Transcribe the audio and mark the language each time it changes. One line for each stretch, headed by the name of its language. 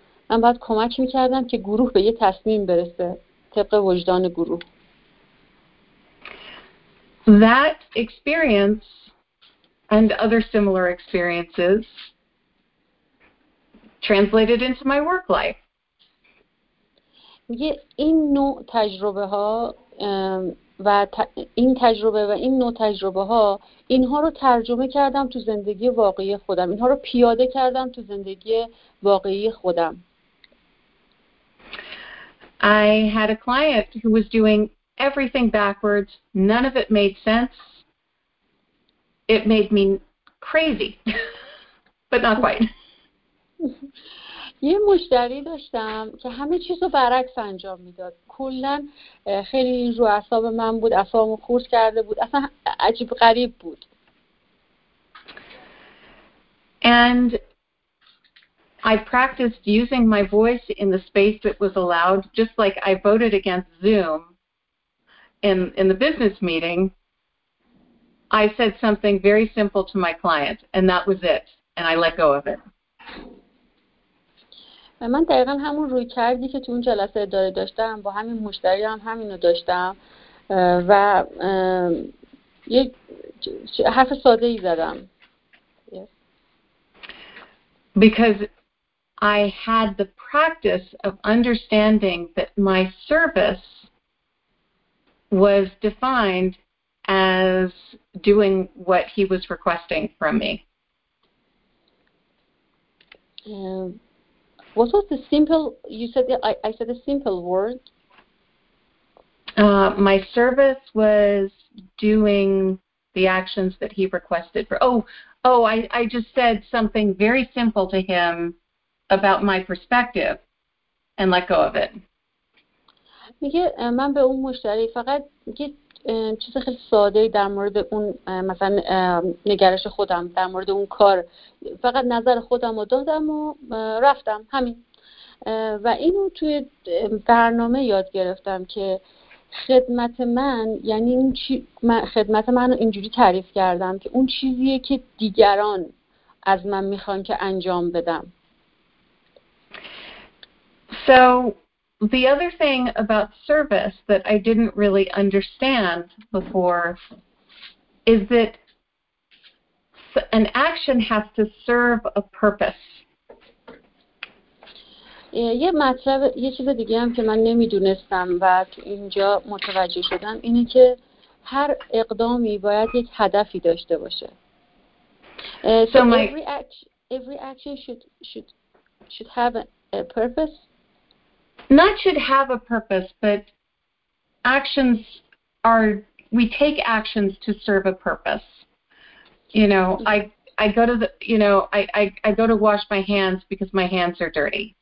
Persian: من باید کمک میکردم که گروه به یک تصمیم برسه طبق وجدان گروه.
English: That experience and other similar experiences translated into my work life.
Persian: این نوع تجربه ها و این تجربه و این نوع تجربه ها اینها رو ترجمه کردم تو زندگی واقعی خودم، اینها رو پیاده کردم تو زندگی واقعی خودم.
English: I had a client who was doing everything backwards. None of it made sense. It made me crazy, but not quite.
Persian: یه مشتری داشتم که همه چیز رو برعکس انجام میداد. کلن خیلی رو اعصاب من بود، اعصابم خورد کرده بود، اصلا عجیب غریب بود.
English: And I practiced using my voice in the space that was allowed, just like I voted against Zoom in the business meeting. I said something very simple to my client, and that was it, and I let go of it.
Persian: من دقیقا همون روی کردی که تو اون جلسه اداره داشتم با همین مشتری هم همینو داشتم و یه حرف ساده ای زدم.
English: Because I had the practice of understanding that my service was defined as doing what he was requesting from me. What was the simple, you said, I said a simple word. My service was doing the actions that he requested for. I just said something very simple to him about my perspective and let go of it.
Persian: من به اون مشتری فقط چیز خیلی ساده در مورد اون مثلا نگرش خودم در مورد اون کار فقط نظر خودم رو دادم و رفتم همین. و اینو توی برنامه یاد گرفتم که خدمت من یعنی اون من خدمت من رو اینجوری تعریف کردم که اون چیزیه که دیگران از من میخوان که انجام بدم.
English: So the other thing about service that I didn't really understand before is that an action has to serve a purpose.
Persian: یه چیز دیگه هم که من نمیدونستم و تو اینجا متوجه شدم اینه که هر اقدامی باید یک هدفی داشته باشه.
English: So every action should have a purpose. Not should have a purpose, but actions are, we take actions to serve a purpose. You know, I go to the, you know, I go to wash my hands because my hands are dirty.